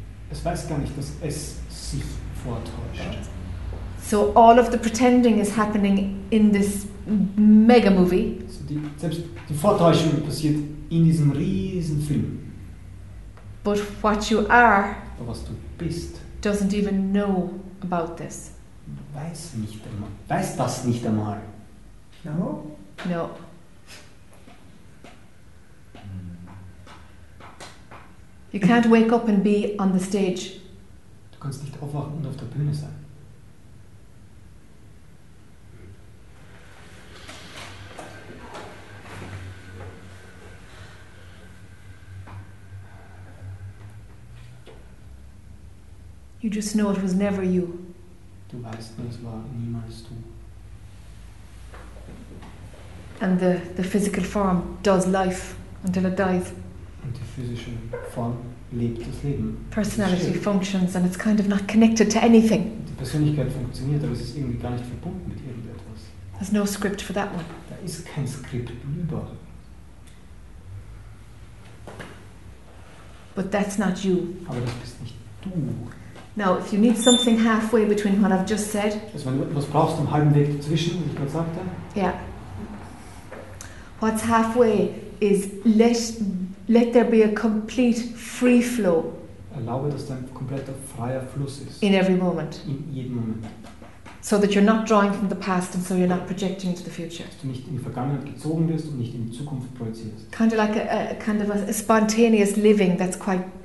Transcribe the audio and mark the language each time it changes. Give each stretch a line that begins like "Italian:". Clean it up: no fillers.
German: Es weiß gar nicht, dass es sich vortäuscht.
English: So all of the pretending is happening in this mega movie.
German: So selbst die Vortäuschung passiert in diesem riesen Film.
English: But what you are.
German: Aber was du bist.
English: Doesn't even know about this.
German: Weiß nicht einmal. Weiß das nicht einmal.
English: No. No. You can't wake up and be on the stage.
German: Du kannst nicht aufwachen und auf der Bühne sein.
English: You just know it was never you.
German: Du weißt nur, es war niemals du.
English: And the physical form does life until it dies.
German: Und die physische Form lebt das Leben.
English: Personality functions and it's kind of not connected to anything.
German: Die Persönlichkeit funktioniert, aber es ist irgendwie gar nicht verbunden mit irgendetwas.
English: There's no script for that one.
German: Da ist kein Skript drüber.
English: But that's not you.
German: Aber das bist nicht du.
English: Now, if you need something halfway between what I've just said.
German: Also wenn du etwas brauchst am halben Weg dazwischen, wie ich gerade sagte.
English: Yeah. What's halfway is let there be a complete free flow.
German: Erlaube, dass dein kompletter freier Fluss ist.
English: In every moment.
German: In jedem Moment.
English: So that you're not drawing from the past and so you're not projecting into the future.
German: Dass du nicht in die Vergangenheit gezogen bist und nicht in die Zukunft projizierst.
English: Kind of like a spontaneous living that's quite.